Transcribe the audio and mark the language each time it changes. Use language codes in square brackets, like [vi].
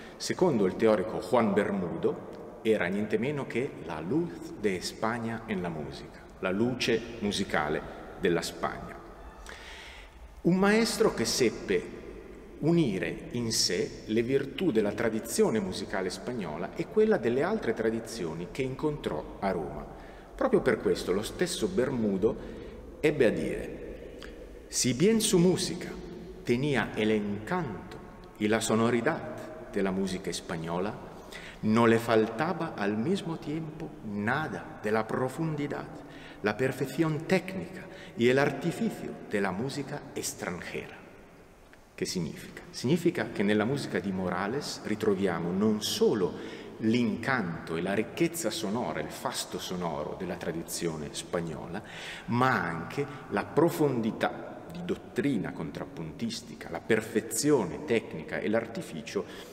[it] Secondo il teorico Juan Bermudo, era niente meno che [es] la luz de España en la música, [it] la luce musicale della Spagna. Un maestro che seppe unire in sé le virtù della tradizione musicale spagnola e quella delle altre tradizioni che incontrò a Roma. Proprio per questo lo stesso Bermudo ebbe a dire: [es] «Si bien su música tenía el encanto y la sonoridad de la música española, no le faltaba al mismo tiempo nada de la profundidad, la perfección técnica y el artificio de la música extranjera». [it] Che significa? Significa che nella musica di Morales ritroviamo non solo l'incanto e la ricchezza sonora, il fasto sonoro della tradizione spagnola, ma anche la profondità di dottrina contrappuntistica, la perfezione tecnica e l'artificio